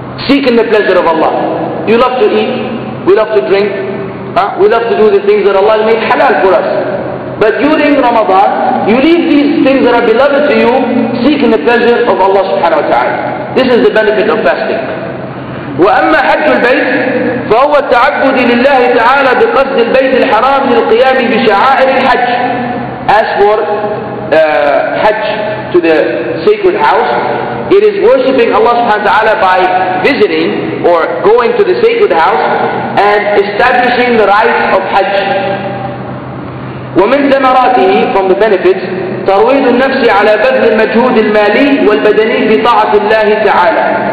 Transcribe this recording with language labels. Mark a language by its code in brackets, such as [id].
[en] Seeking the pleasure of Allah. You love to eat. We love to drink. We love to do the things that Allah made halal for us. But during Ramadan, you leave these things that are beloved to you, seeking the pleasure of Allah subhanahu wa ta'ala. This is the benefit of fasting. [ar] وأما حج البيت فهو التعبد لله تعالى بقصد البيت الحرام للقيام بشعائر الحج. [en] As for Hajj to the sacred house, it is worshipping Allah subhanahu wa ta'ala by visiting or going to the sacred house and establishing the rites of Hajj. [ar] ومن ثمراته, [en] from the benefits, [ar] ترويض النفس على بذل المجهود المالي والبدني بطاعة الله تعالى.